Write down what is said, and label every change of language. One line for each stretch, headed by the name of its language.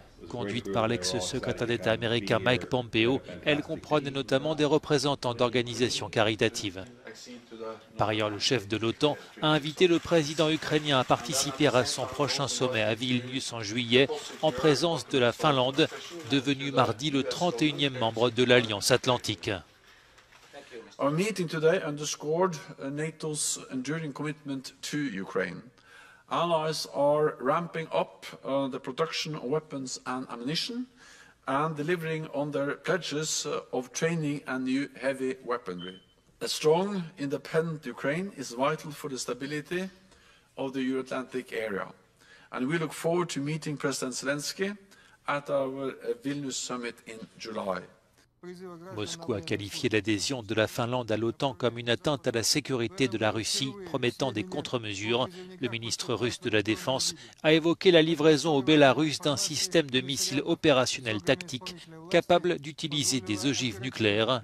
French: Conduite par l'ex-secrétaire d'État américain Mike Pompeo, elle comprenait notamment des représentants d'organisations caritatives. Par ailleurs, le chef de l'OTAN a invité le président ukrainien à participer à son prochain sommet à Vilnius en juillet, en présence de la Finlande, devenue mardi le 31e membre de l'Alliance Atlantique.
English: Our meeting today underscored NATO's enduring commitment to Ukraine. Allies are ramping up the production of weapons and ammunition and delivering on their pledges of training and new heavy weaponry. A strong, independent Ukraine is vital for the stability of the Euro-Atlantic area. And we look forward to meeting President Zelensky at our Vilnius summit in July.
French: Moscou a qualifié l'adhésion de la Finlande à l'OTAN comme une atteinte à la sécurité de la Russie, promettant des contre-mesures. Le ministre russe de la Défense a évoqué la livraison au Bélarus d'un système de missiles opérationnels tactiques capable d'utiliser des ogives nucléaires.